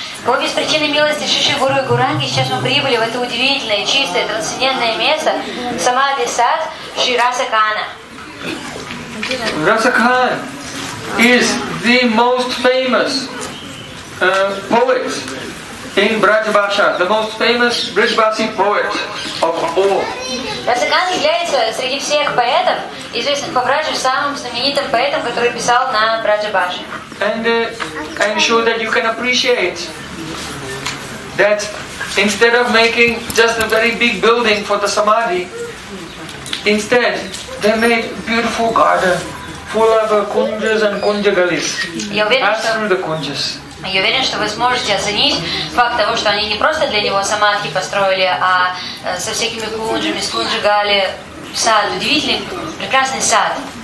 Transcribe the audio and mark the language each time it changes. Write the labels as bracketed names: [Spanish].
[Russian] Боги с причиной милости Шиши Гуру и Гуранги сейчас мы прибыли в это удивительное, чистое, трансцендентное место Самадхи Сад Шри Расакхана. [English] Расакхан is the most famous poet in Brajbhasha, the most famous Brajbhasi poet of all. [Russian] Расакхан является среди всех поэтов, известных по Браджу, самым знаменитым поэтом, который писал на Брадж-Бхаше. [English] And I'm sure that you can appreciate that instead of making just a very big building for the Samadhi, instead they made beautiful garden full of kunjas and kunjagalis. Pass through the kunjas. [Russian] Я уверен, что вы сможете оценить факт того, что они не просто для него самадхи построили, а со всякими кунджами, с кунджагали сад, удивительный, прекрасный сад.